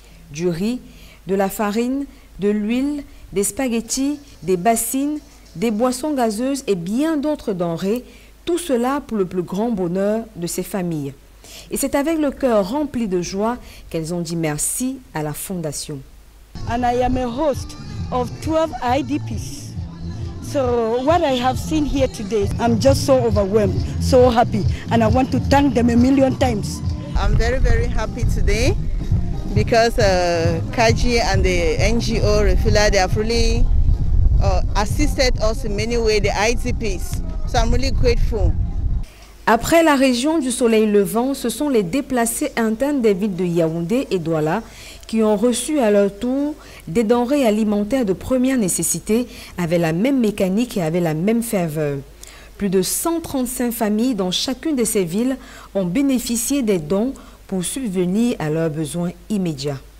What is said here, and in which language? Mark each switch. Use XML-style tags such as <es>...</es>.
<fr>Du riz, de la farine, de l'huile, des spaghettis, des bassines, des boissons gazeuses et bien d'autres denrées, tout cela pour le plus grand bonheur de ces familles. Et c'est avec le cœur rempli de joie qu'elles ont dit merci à la Fondation.</fr> <en>And I am a host of 12 IDPs. So what I have seen here today, I'm just so overwhelmed, so happy, and I want to thank them a million times. I'm very, very happy today. Because Kadji and the NGO Refila, they have really assisted us in many ways, the IDPs. So I'm really grateful.</en> <fr>Après la région du soleil levant, ce sont les déplacés internes des villes de Yaoundé et Douala qui ont reçu à leur tour des denrées alimentaires de première nécessité avec la même mécanique et avec la même ferveur. Plus de 135 familles dans chacune de ces villes ont bénéficié des dons pour subvenir à leurs besoins immédiats.</fr>